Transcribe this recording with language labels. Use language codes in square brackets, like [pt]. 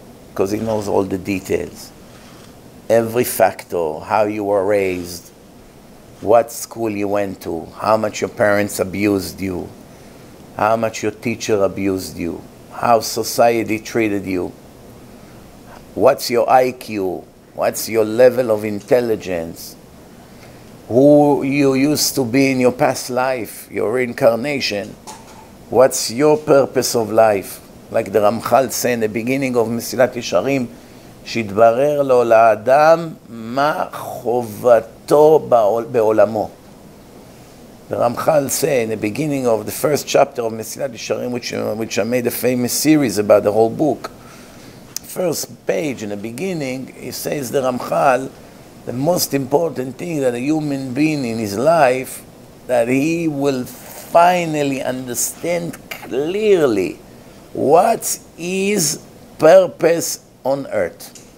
[en] Because he knows all the details, every factor, how you were raised, what school you went to, how much your parents abused you, how much your teacher abused you, how society treated you, what's your IQ, what's your level of intelligence, who you used to be in your past life, your reincarnation, what's your purpose of life. Like the Ramchal said in the beginning of Mesilat Yesharim, [he] שיתברר לו לאדם מה חובתו בעולמו. [en] The Ramchal said in the beginning of the first chapter of Mesilat Yesharim, which I made a famous series about the whole book. First page in the beginning, he says the Ramchal, the most important thing that a human being in his life, that he will finally understand clearly what's his purpose on earth?